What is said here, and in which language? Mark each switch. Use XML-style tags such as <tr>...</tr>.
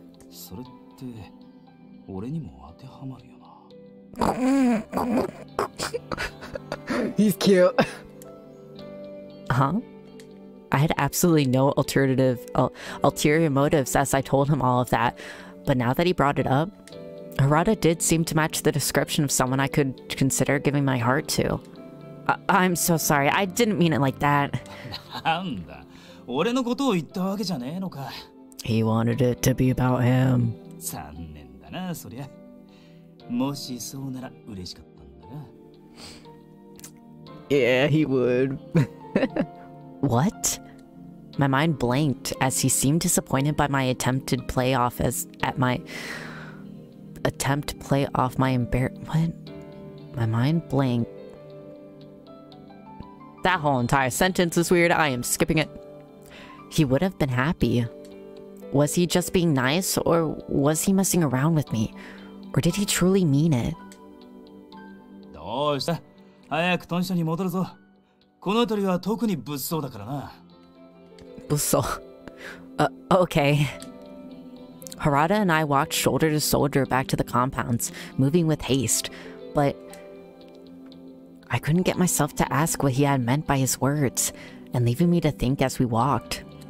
<ja>それって俺にも当てはまるよな。</ja> <en>He's cute. Huh? I had absolutely no ulterior motives as I told him all of that, but now that he brought it up, Harada did seem to match the description of someone I could consider giving my heart to. I'm so sorry. I didn't mean it like that.</en> <ja>なんだ、俺のことを言ったわけじゃねえのか。</ja> <en>He wanted it to be about him.</en> <ja>残念だな、そりゃ。もしそうなら嬉しかったんだな。</ja> <en>Yeah, he would. What? My mind blanked as he seemed disappointed by my attempted play off as at my attempt to play off my embarrassment. My mind blanked. That whole entire sentence is weird. I am skipping it. He would have been happy. Was he just being nice, or was he messing around with me? Or did he truly mean it?</en> <ja>どうした? 早くトンショに戻るぞ。この辺りは特に物騒だからな。</ja> <en>物騒。Okay. Harada and I walked shoulder to shoulder back to the compounds, moving with haste, but I couldn't get myself to ask what he had meant by his words, and leaving me to think as we walked.</en>